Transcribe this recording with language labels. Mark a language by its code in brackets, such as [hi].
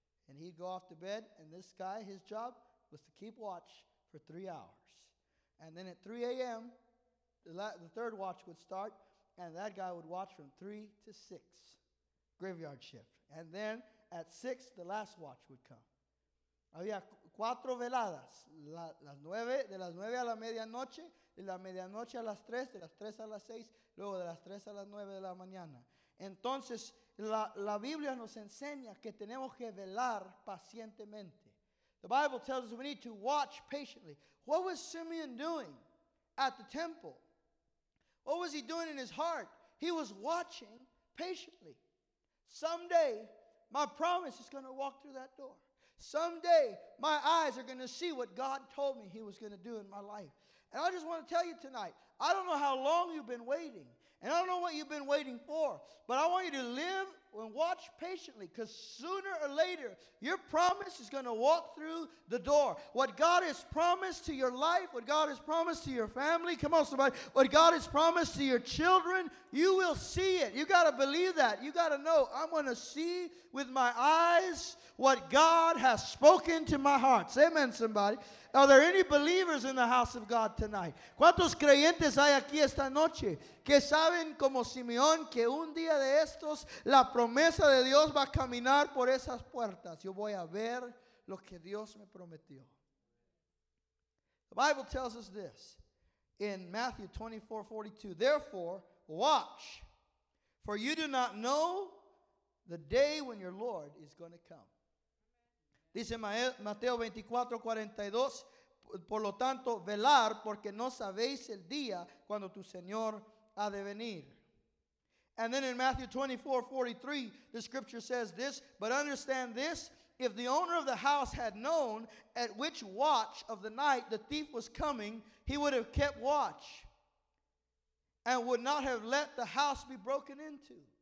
[en] And he'd go off to bed, and this guy, his job was to keep watch for 3 hours. And then at 3 a.m., the third watch would start, and that guy would watch from 3 to 6, graveyard shift. And then at 6, the last watch would come. [es] Había cuatro veladas, las nueve, de las nueve a la medianoche, de la medianoche a las tres, de las tres a las seis, luego de las tres a las nueve de la mañana. Entonces, la Biblia nos enseña que tenemos que velar pacientemente. [en] The Bible tells us we need to watch patiently. What was Simeon doing at the temple? What was he doing in his heart? He was watching patiently. Someday, my promise is going to walk through that door. Someday, my eyes are going to see what God told me he was going to do in my life. And I just want to tell you tonight, I don't know how long you've been waiting. And I don't know what you've been waiting for. But I want you to live and watch patiently. Because sooner or later, your promise is going to walk through the door. What God has promised to your life, what God has promised to your family, come on somebody, what God has promised to your children, you will see it. You got to believe that. You got to know, I'm going to see with my eyes what God has spoken to my heart. Say amen, somebody. Are there any believers in the house of God tonight? [es] ¿Cuántos creyentes hay aquí esta noche que saben como Simeón que un día de estos la promesa de Dios va a caminar por esas puertas? Yo voy a ver lo que Dios me prometió. [en] The Bible tells us this in Matthew 24:42. Therefore, watch, for you do not know the day when your Lord is going to come. [es] Dice Mateo 24:42, por lo tanto, velar, porque no sabéis el día cuando tu Señor ha de venir. [en] And then in Matthew 24:43, the scripture says this, but understand this, if the owner of the house had known at which watch of the night the thief was coming, he would have kept watch and would not have let the house be broken into.